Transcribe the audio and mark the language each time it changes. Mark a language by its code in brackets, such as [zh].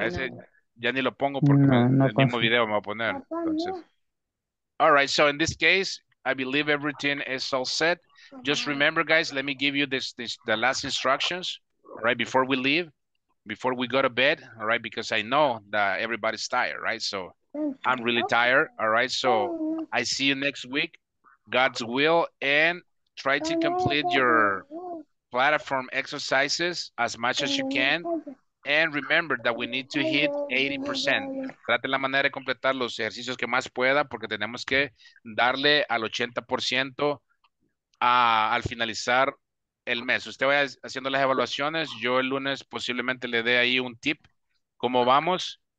[es] Es, ya ni lo pongo porque no, no el mismo video me va a poner. [en] Entonces, all right, so in this case, I believe everything is all set. Just remember, guys, let me give you the last instructions, right, before we leave, before we go to bed, all right, because I know that everybody's tired, right? So I'm really tired, all right? So I see you next week. God's will, and try to complete your platform exercises as much as you can. And remember that we need to hit 80%. [es] Trate la manera de completar los ejercicios que más pueda porque tenemos que darle al 80% al finalizar el mes. Usted vaya haciendo las evaluaciones. Yo el lunes posiblemente le dé ahí un tip. ¿Cómo vamos?